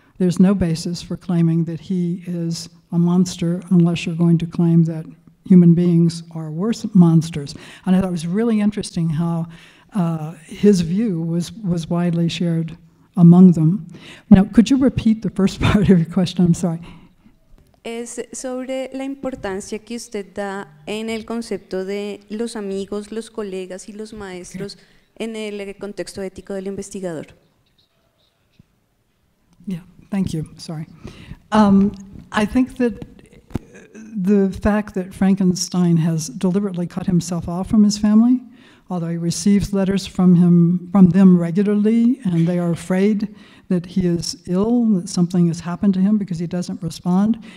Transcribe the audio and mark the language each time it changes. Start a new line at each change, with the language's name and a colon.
English: There's no basis for claiming that he is a monster unless you're going to claim that human beings are worse monsters. And I thought it was really interesting how his view was widely shared among them. Now, could you repeat the first part of your question? I'm sorry.
Spanish: Es sobre la importancia que usted da en el concepto de los amigos, los colegas y los maestros en el contexto ético del investigador.
English: Yeah, thank you, sorry. I think that the fact that Frankenstein has deliberately cut himself off from his family, although he receives letters from him, from them regularly, and they are afraid that he is ill, that something has happened to him because he doesn't respond.